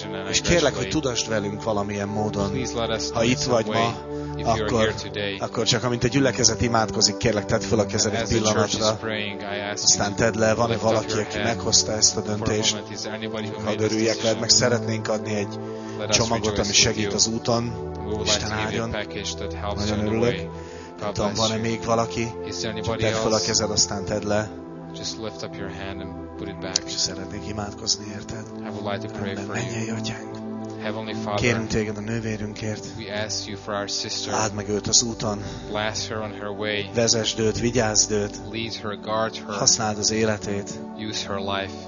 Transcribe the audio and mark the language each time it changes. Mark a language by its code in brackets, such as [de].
[hu] És kérlek, hogy tudasd velünk valamilyen módon, ha itt vagy ma, akkor csak amint a gyülekezet imádkozik, kérlek, tedd fel a kezed egy pillanatra, aztán tedd le, van-e valaki, aki meghozta ezt a döntést, ha örüljek veled, meg szeretnénk adni egy csomagot, ami segít az úton, Isten áldjon, nagyon örülök. Tudom, van-e még valaki? Tedd fel a kezed, aztán tedd le. [en] Just lift up your hand and put it back. [hu] Szeretnék imádkozni, érted? [en] I would like to pray for you. [hu] Mennyei Atyánk. [en] Heavenly Father, [hu] kérünk téged a nővérünkért. [en] We ask you for our sister. [hu] Áld meg őt az úton. [en] Bless her on her way. [hu] Vezesd őt, vigyázd őt. [en] Lead her, guard her. [hu] Használd az életét. [en] Use her life.